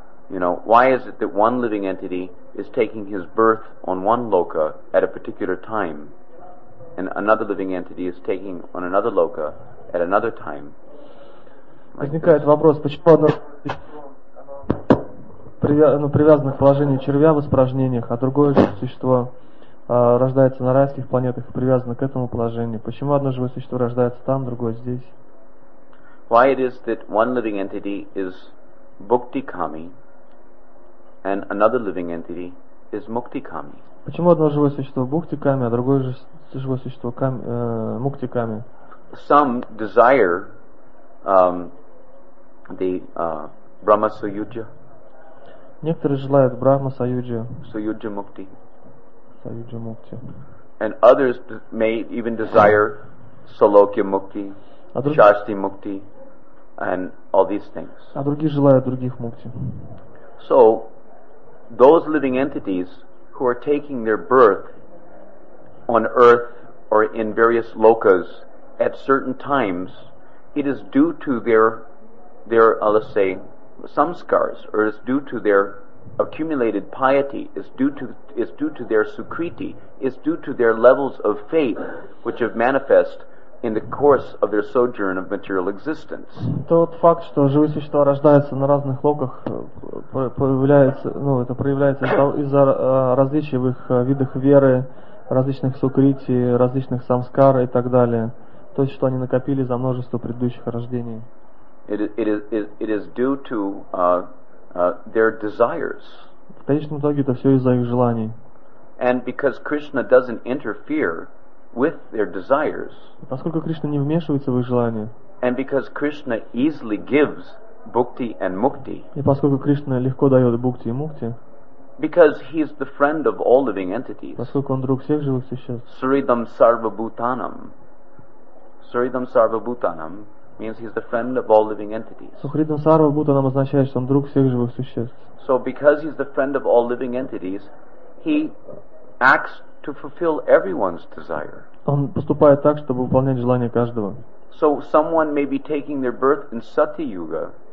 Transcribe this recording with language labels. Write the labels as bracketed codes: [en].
[en] You know, why is it that one living entity is taking his birth on one loka at a particular time and another living entity is taking on another loka at another time? [ru] Возникает вопрос, почему одно существо привязано к положению червя в испражнениях, а другое существо рождается на райских планетах и привязано к этому положению? Почему одно живое существо рождается там, другое здесь? [en] Why it is that one living entity is bhukti kami and another living entity is mukti kami? [ru] Почему одно живое существо bhukti kami, а другое живое существо mukti kami? [en] Some desire Brahma Sayujya. [ru] Некоторые желают Брахма Саюджа. Саюджа мукти. Саюджа мукти. And others may even desire Салокья мукти, Шасти мукти. [en] and all these things. [ru] А другие желают других мукти. [en] So those living entities who are taking their birth on earth or in various lokas at certain times, it is due to their let's say samskars, or it's due to their accumulated piety, is due to their sukriti, is due to their levels of faith which have manifest in the course of their sojourn of material existence. [ru] Тот факт, что живые существа рождаются на разных локах, появляется, ну, это проявляется из-за различий в их видах веры, различных сукрити, различных самскар и так далее. То есть, что они накопили за множество предыдущих рождений. [en] It is due to their desires. [ru] В конечном итоге это все из-за их желаний. [en] And because Krishna doesn't interfere with their desires. [ru] Поскольку Кришна не вмешивается в их желания. [en] And because Krishna easily gives bhukti and mukti. [ru] И поскольку Кришна легко дает бхукти и мукти. [en] Because he is the friend of all living entities. [ru] Поскольку он друг всех живых существ. [en] Saridam sarva bhutanam. Saridam sarva bhutanam means he's the friend of all living entities. [ru] Сухридам сарва бхутанам означает, что он друг всех живых существ. [en] So because he's the friend of all living entities, he acts to fulfill everyone's desire. [ru] Он поступает так, чтобы выполнять желание каждого. [en] So someone may be taking their birth in Satya Yuga.